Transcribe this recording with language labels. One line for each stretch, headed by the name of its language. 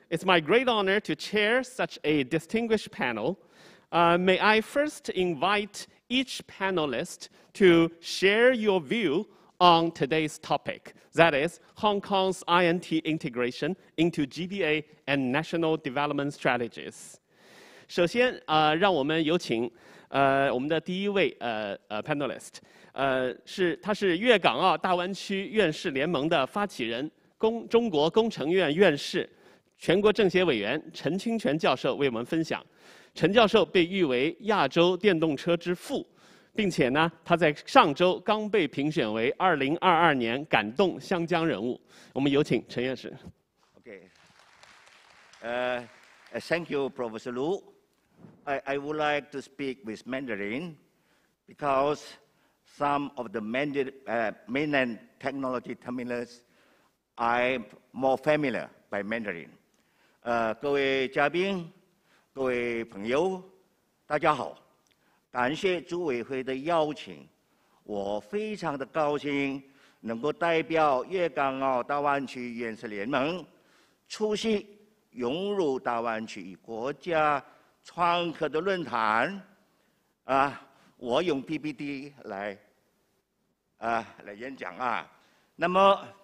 English: It's my great honor to chair such a distinguished panel. May I first invite each panelist to share your view on today's topic, that is Hong Kong's INT integration into GBA and national development strategies.
Chinese: 首先, 让我们有请, 我们的第一位, panelist, 他是粤港澳, 大湾区院士联盟的发起人, 中国工程院院士, 全国政协委员, 陈清泉教授为我们分享, 陈教授被誉为亚洲电动车之父, 并且呢, 他在上周刚被评选为 2022年感动湘江人物。我们有请陈院士。
English: Okay. Thank you, Professor Liu. I would like to speak with Mandarin because some of the mainland technology terminals I'm more familiar by Mandarin.
Chinese: 各位嘉宾,各位朋友,大家好。感谢诸委会的邀请，我非常的高兴能够代表粤港澳大湾区院士联盟出席融入大湾区国家创客的论坛。我用 PPT 来演讲啊。那么，